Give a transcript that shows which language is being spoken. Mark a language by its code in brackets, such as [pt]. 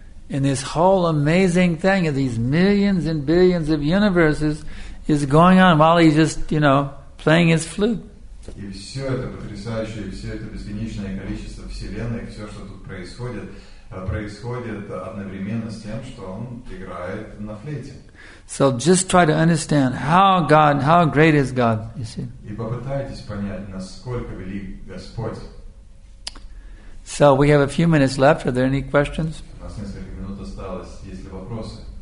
[en] And this whole amazing thing of these millions and billions of universes is going on while he's just, you know, playing his flute. [ru] И все это потрясающее, все это безграничное количество вселенной, все, что тут происходит, происходит одновременно с тем, что он играет на флейте. [en] So just try to understand how God, how great is God, you see. [ru] И попытайтесь понять, насколько велик Господь. [en] So we have a few minutes left. Are there any questions? [ru] У нас несколько минут осталось. Есть ли вопросы?